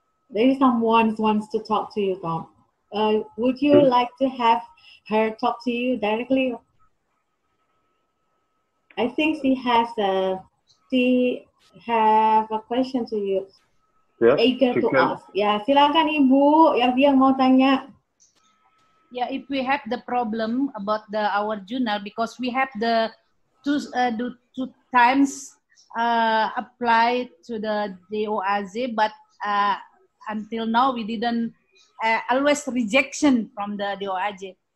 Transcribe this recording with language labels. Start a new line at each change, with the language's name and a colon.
English: There is someone who wants to talk to you, Tom. Would you like to have her talk to you directly? I think she has a question to you. Yes,
Indonesian: silakan Ibu, yang mau tanya.
English: Yeah, if we have the problem about our journal, because we have two times applied to the DOAZ, but until now we didn't always rejection from the DOAZ.